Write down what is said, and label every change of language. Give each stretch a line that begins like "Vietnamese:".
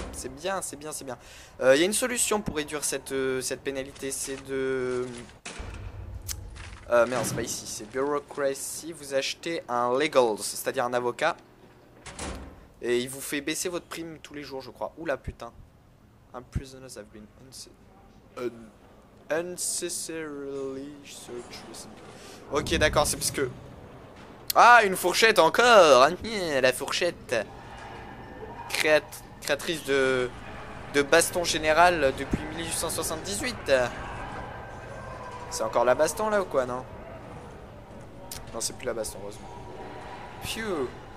French: C'est bien, c'est bien, c'est bien. Il y a une solution pour réduire cette pénalité, c'est de... merde, c'est pas ici, c'est bureaucracy. Vous achetez un legal, c'est-à-dire un avocat. Et il vous fait baisser votre prime tous les jours, je crois. Oula, putain.
English: Un prisoners have been unnecessarily searched.
French: Ok, d'accord, c'est parce que... Ah, une fourchette encore! La fourchette. Créatrice de baston général depuis 1878. C'est encore la baston là ou quoi, non? Non, c'est plus la baston, heureusement. Phew!